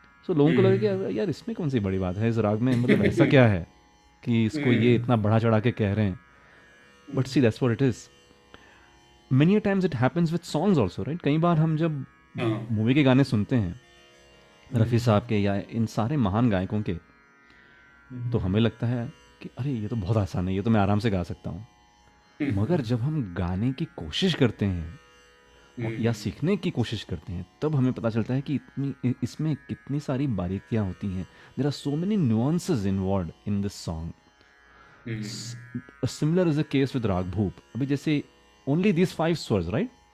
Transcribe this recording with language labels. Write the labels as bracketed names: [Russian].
[Hindi] सो लोगों को लगे कि यार इसमें कौन सी बड़ी बात है, इस राग में मतलब ऐसा क्या है कि इसको ये इतना बढ़ा चढ़ा के कह रहे हैं, [English] But see that's what it is. Many a times it happens with songs also, right? [Hindi] कई बार हम जब मूवी के गाने सुनते हैं रफ़ी साहब के या इन सारे महान गायकों के, तो हमें लगता है कि अरे ये तो बहुत आसान है, ये तो मैं आराम से गा सकता हूँ। मगर जब हम गाने की कोशिश करते हैं या सीखने की कोशिश करते हैं, तब हमें पता चलता है कि इतनी इसमें कितनी सारी बारीकियाँ होती हैं। [English] There are so many nuances involve in this song. Similar is a case with raag Bhoop. [Hindi] अभी जैसे [English] only these 5 swars, right?